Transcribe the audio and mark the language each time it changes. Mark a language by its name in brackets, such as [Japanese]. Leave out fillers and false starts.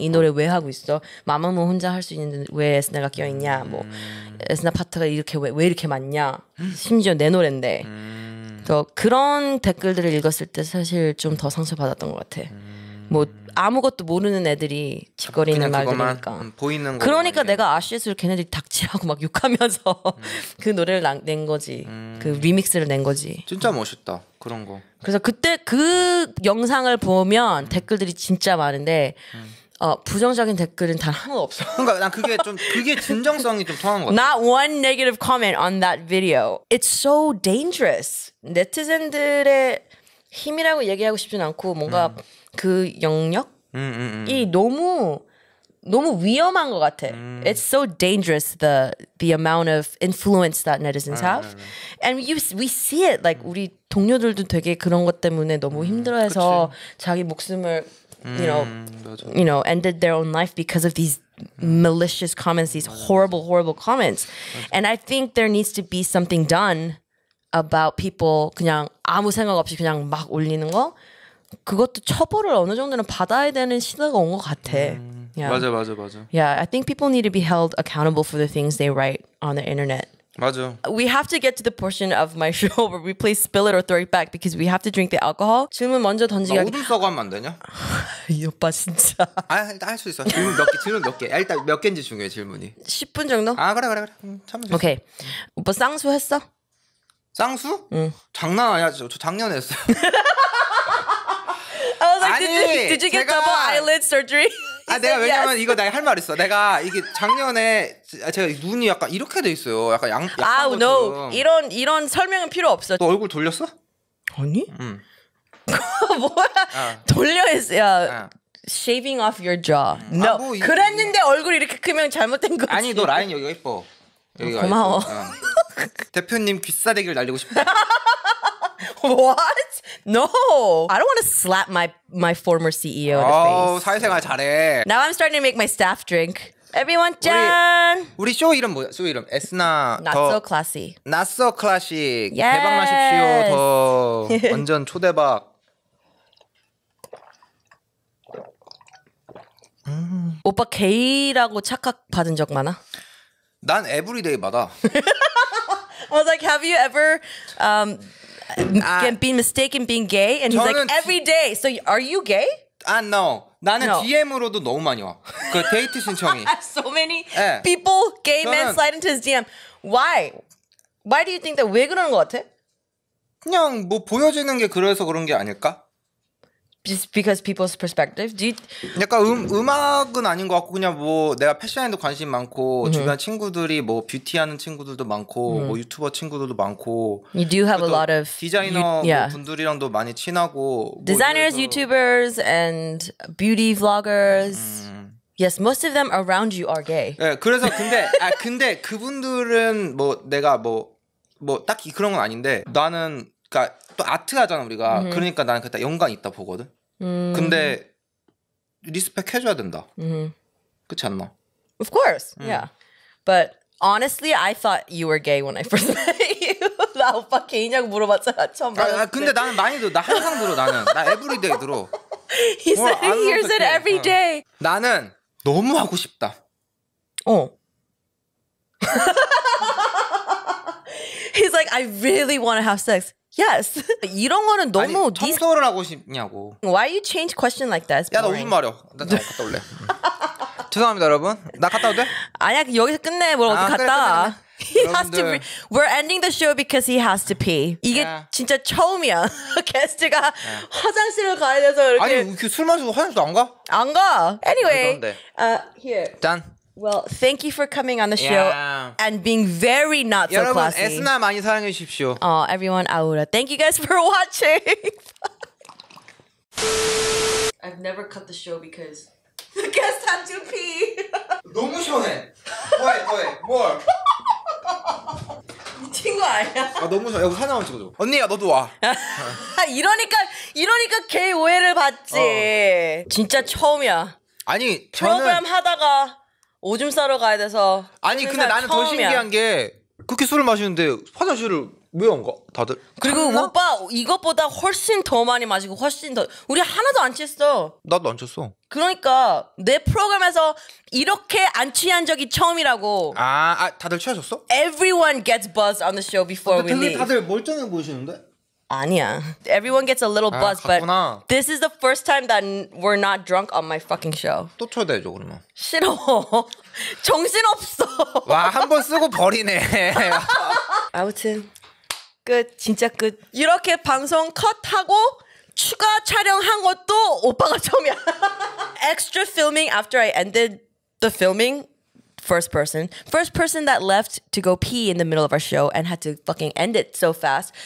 [Korean] 이 노래 왜 하고 있어? Mamamoo 혼자 할 수 있는데 왜 에스나가 껴 있냐? 뭐 에스나 파트가 이렇게 왜 이렇게 많냐? 심지어 내 노래인데." 또 그런 댓글들을 읽었을 때 사실 좀 더 상처받았던 것 같아. 뭐 아무것도 모르는 애들이 짓거리는 말들이니까. 보이는 거. 그러니까 내가 아쉬웠을 걔네들이 닥치라고 막 욕하면서 그 노래를 낸 거지. 그 리믹스를 낸 거지. 진짜 멋있다. 그런 거. 그래서 그때 그 영상을 보면 댓글들이 진짜 많은데 부정적인 댓글은 단 하나도 없어. 그러니까 난 그게 좀 그게 진정성이 좀 통한 거 같아. [English] Not one negative comment on that video. It's so dangerous. [Korean] 네티즌들의 힘이라고 얘기하고 싶진 않고 뭔가 그 영역이 너무 위험한 것 같아. [English] It's so dangerous the amount of influence that netizens have. And we see it like [Korean] 우리 동료들도 되게 그런 것 때문에 너무 힘들어해서 그치. 자기 목숨을 [English] you know ended their own life because of these malicious comments, these horrible comments. [Korean] 맞아. [English] And I think there needs to be something done about people [Korean] 그냥 아무 생각 없이 그냥 막 올리는 거. 그것도 처벌을 어느 정도는 받아야 되는 시대가 온 것 같아. [English] Yeah. [Korean] 맞아, 맞아, 맞아. [English] Yeah, I think people need to be held accountable for the things they write on the internet. [Korean] 맞아. [English] We have to get to the portion of my show where we play spill it or throw it back because we have to drink the alcohol. [Korean] 질문 먼저 던지기. 나 우동 써고 하면 안 되냐? 이 오빠 진짜. 아, 일단 할 수 있어. 질문 몇 개. 야, 일단 몇 개인지 중요해, 질문이. 10분 정도? 아, 그래. 참으면 오케이. 오빠 쌍수 했어? 쌍수? 응. 장난 아니야. 저 작년에 했어요. [English] Did you get double eyelid surgery? [Korean] 아 내가 왜냐면 [English] yes. [Korean] 이거 내가 할 말 있어. 내가 이게 작년에 제가 눈이 약간 이렇게 돼 있어요. 약간 양. 아 [English] no. [Korean] 이런 설명은 필요 없어. 너 얼굴 돌렸어? 아니. 응. 뭐야? 아. 돌려야 [English] shaving off your jaw. No. [Korean] 아, 뭐, 그랬는데 이거. 얼굴 이렇게 크면 잘못된 거지. 아니 너 라인 여기가 예뻐. 여기가 고마워. 대표님 귀싸대기를 날리고 싶다. [English] What? No. I don't want to slap my former CEO in the face. [Korean] 사회생활 잘해. [English] Now I'm starting to make my staff drink. Everyone, 짠! [Korean] 우리 쇼 이름 뭐야? 쇼 이름. 에스나. [English] Not 더, so classy. Not so classic. Yes. [Korean] 대박 마십시오. 더 완전 초대박. 오빠 게이라고 착각받은 적 많아? 난 에브리데이마다. [English] I was like, have you ever been mistaken being gay? And he's like, every day. So are you gay? No. [Korean] 나는 DM으로도 너무 많이 와. 그 데이트 신청이. [English] So many people, gay men slide into his DM. Why? Why do you think that? [Korean] 왜 그러는 것 같아? 그냥 뭐 보여지는 게 그래서 그런 게 아닐까? [English] Just because people's perspective? Do you... [Korean] 약간 음악은 아닌 것 같고 그냥 뭐 내가 패션에도 관심 많고 [English] mm-hmm. [Korean] 주변 친구들이 뭐 뷰티하는 친구들도 많고 [English] mm-hmm. [Korean] 뭐 유튜버 친구들도 많고 [English] You do have a lot of... [Korean] 디자이너 [English] yeah. [Korean] 분들이랑도 많이 친하고 [English] Designers, 뭐 YouTubers, and beauty vloggers Yes, most of them around you are gay. [Korean] 예, 그래서 근데 아 근데 그분들은 뭐 내가 뭐 딱히 그런 건 아닌데 나는 그러니까 또 아트 하잖아 우리가 [English] mm-hmm. [Korean] 그러니까 나는 그때 영광 있다 보거든. Mm-hmm. 근데 리스펙 해줘야 된다. [English] Mm-hmm. [Korean] 그렇지 않나? [English] Of course, yeah. But honestly, I thought you were gay when I first met you. [Korean] 나 오빠 개인이라고 물어봤잖아 처음. 아 근데 나는 많이도 나 항상 들어 나는 나 everyday 들어. [English] He said he hears it every day. [Korean] 나는 너무 하고 싶다. 어. [English] He's like, I really want to have sex. Yes. [Korean] 이런 거는 너무 아니, 청소를 하고 싶냐고. [English] Why you change question like that? [Korean] 야, 나 오줌 마려. 나 갔다 올래. 죄송합니다, 여러분. 나 갔다 올래? 아니야, 여기서 끝내. 뭐 어디 갔다. [English] We're ending the show because he has to pee. [Korean] 이게 진짜 처음이야. 게스트가 화장실을 가야 돼서 이렇게. 아니, 이렇게 술 마시고 화장실도 안 가? 안 가. [English] Anyway. [Korean] 아니, [English] here. Done. Well, thank you for coming on the show and being very not so classy. [Korean] 여러분, 에스나 많이 사랑해 주십시오. [English] Oh, everyone, Aoora. Thank you guys for watching. I've never cut the show because the guests had to pee. [Korean] 너무 시원해. 뭐해? 뭘? 미친 거 아니야? 아 너무 시원해. 하나만 찍어줘. 언니야, 너도 와. 이러니까 걔 오해를 받지. 진짜 처음이야. 아니, 프로그램 하다가 오줌 싸러 가야 돼서 아니 근데 나는 더 신기한 게 그렇게 술을 마시는데 화장실을 왜 안 가 다들 그리고 장난? 오빠 이것보다 훨씬 더 많이 마시고 훨씬 더 우리 하나도 안 취했어 나도 안 취했어 그러니까 내 프로그램에서 이렇게 안 취한 적이 처음이라고 아 다들 취하셨어? [English] Everyone gets buzzed on the show before [Korean] 근데 [English] we leave [Korean] 근데 다들 멀쩡해 보이시는데 아니야. [English] Everyone gets a little buzz, [Korean] 아, [English] but this is the first time that we're not drunk on my fucking show. [Korean] 또 초대해줘, 그러면. 싫어. 정신없어. 와, 한번 쓰고 버리네. 아무튼, 끝. 진짜 끝. 이렇게 방송 컷하고 추가 촬영한 것도 오빠가 처음이야. [English] Extra filming after I ended the filming. First person that left to go pee in the middle of our show and had to fucking end it so fast.